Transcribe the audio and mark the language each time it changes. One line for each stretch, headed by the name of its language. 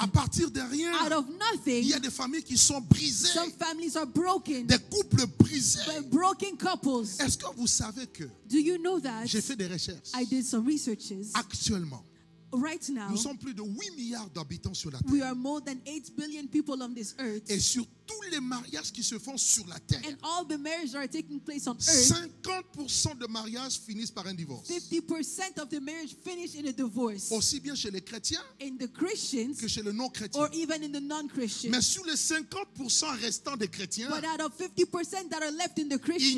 French: À partir de rien.
English: Out of nothing,
French: il y a des familles qui sont brisées.
English: Some families are broken.
French: Des couples brisés.
English: But broken couples.
French: Est-ce que vous savez que
English: do you know that
French: j'ai fait des recherches.
English: I did some researches.
French: Actuellement.
English: Right now,
French: nous sommes plus de 8 milliards d'habitants sur la terre.
English: We are more than 8 billion people on this earth.
French: Et sur tous les mariages qui se font sur la terre.
English: And all the marriages that are taking place on earth.
French: 50% de mariages finissent par un divorce.
English: 50% of the marriage finish in a divorce.
French: Aussi bien chez les chrétiens
English: in the Christians,
French: que chez les non-chrétiens.
English: Or even in the non-Christians.
French: Mais sur les 50% restants des chrétiens,
English: but out of 50% that are left in the Christians,